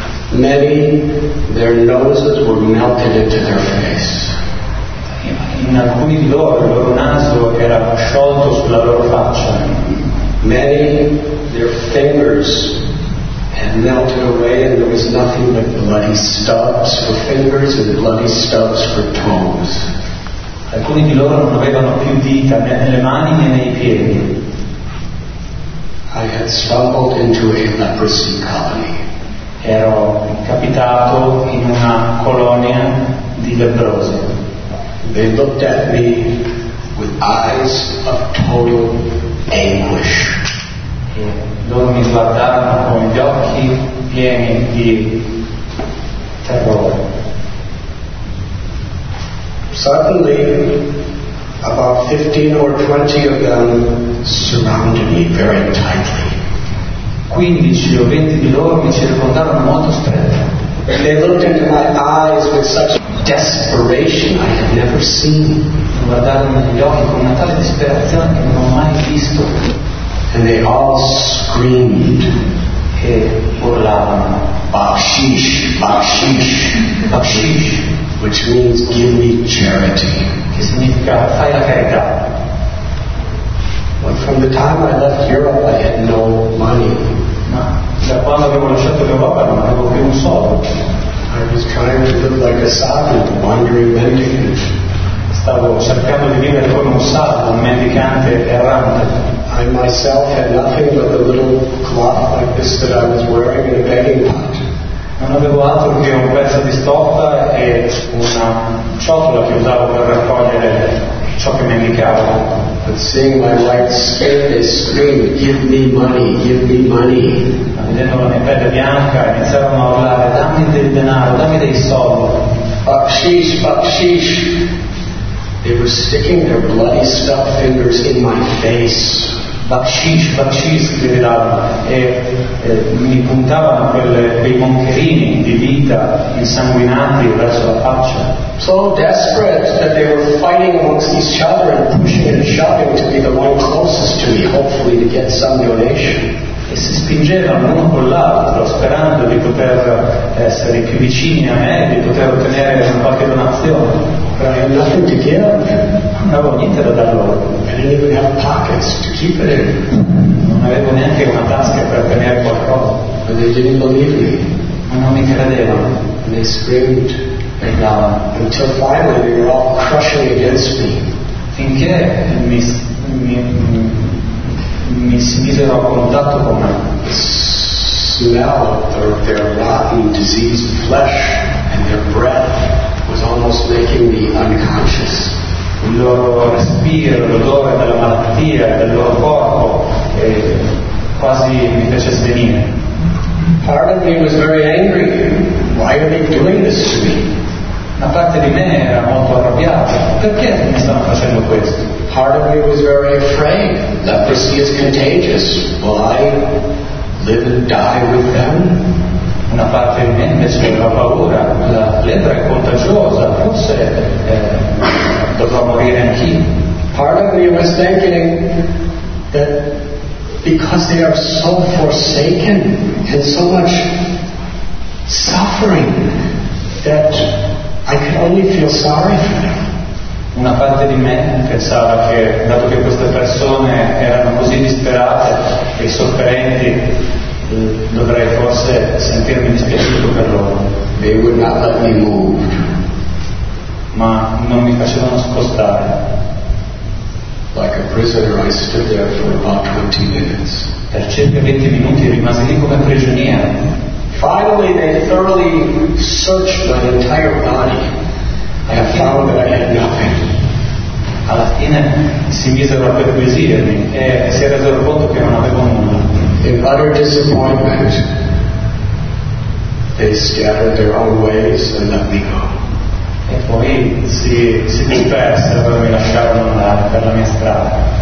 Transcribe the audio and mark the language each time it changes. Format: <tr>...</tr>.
<en>Many, their noses were melted into their face.</en> <it>In alcuni di loro, il loro naso era sciolto sulla loro faccia.</it> <en>Many, their fingers had melted away and there was nothing but bloody stubs for fingers and bloody stubs for toes.</en> <it>Alcuni di loro non avevano più dita né nelle mani né nei piedi.</it> <en>I had stumbled into a leprosy colony.</en> <it>Ero capitato in una colonia di lebbrosi.</it> <en>They looked at me with eyes of total anguish.</en> <it>Loro mi guardarono con gli occhi pieni di terrore.</it> <en>Suddenly, about 15 or 20 of them surrounded me very tightly.</en> <it>15 o 20 di loro mi circondarono molto stretto.</it> <en>They looked into my eyes with such desperation I had never seen.</en> <it>Guardarono negli occhi con una tale disperazione che non ho mai visto.</it> <en>And they all screamed.</en> <it>E urlavano.</it> <hi>Bakshish, bakshish, bakshish.</hi> <en>Which means give me charity.</en> <it>Che significa fai la carità.</it> <en>But from the time I left Europe I had no money.</en> <it>Ma da quando avevo lasciato l'Europa non avevo più un soldo.</it> <en>I was trying to live like a savant, wandering mendicant.</en> <it>Stavo cercando di vivere come un savant, un mendicante errante.</it> <en>I myself had nothing but the little cloth like this that I was wearing in a begging pot.</en> <it>Non avevo altro che un pezzo di stoffa e una ciotola che usavo per raccogliere ciò che mendicavo.</it> <en>But seeing my white skin, they screamed, give me money, give me money.</en> <it>Ma vedendo la mia pelle bianca, iniziarono a urlare, dammi del denaro, dammi dei soldi.</it> <hi>Bakshish, bakshish.</hi> <en>They were sticking their bloody stuff fingers in my face.</en> <hi>Bakshish, bakshish,</hi> <it>gridavano, e mi puntavano quei moncherini di vita insanguinati verso la faccia.</it> <en>So desperate that they were fighting amongst each other and pushing and shoving to be the one closest to me, hopefully to get some donation.</en> <it>E si spingevano l'uno con l'altro, sperando di poter essere più vicini a me, di poter ottenere una qualche donazione.</it> <en>But I had nothing to give.</en> <it>Non avevo niente da dar loro.</it> <en>I didn't even have pockets to keep it in.</en> <it>Non avevo neanche una tasca per tenere qualcosa.</it> <en>But they didn't believe me.</en> <it>Ma non mi credevano.</it> <en>And they screamed. Until finally they were all crushing against me.</en> <it>Finché mi si misero a contatto con me.</it> <en>The smell of their rotten, diseased flesh and their breath was almost making me unconscious.</en> <it>Il loro respiro, l'odore della malattia, del loro corpo, quasi mi fece svenire.</it> <en>Part of me was very angry. Why are they doing this to me?</en> <it>Una parte di me era molto arrabbiata. Perché mi stanno facendo questo?</it> <en>Part of me was very afraid. Leprosy is contagious. Will I live and die with them?</en> <it>Una parte di me invece aveva paura. La pietra è contagiosa, forse dovrò morire anch'io.</it> <en>Part of me was thinking that because they are so forsaken and so much suffering that I could only feel sorry for them.</en> <it>Una parte di me pensava che, dato che queste persone erano così disperate e sofferenti, dovrei forse sentirmi dispiaciuto per loro.</it> <en>They would not let me move.</en> <it>Ma non mi facevano spostare.</it> <en>Like a prisoner, I stood there for about 20 minutes.</en> <it>Per circa 20 minuti rimasi lì come prigioniero.</it> <en>Finally, they thoroughly searched my entire body. I have found that I had nothing.</en> <it>Alla fine si misero a perquisirmi e si è reso conto che non avevo nulla.</it> <en>In utter disappointment, they scattered their own ways and let me go.</en> <it>E poi si dispersero e mi lasciarono andare per la mia strada.</it>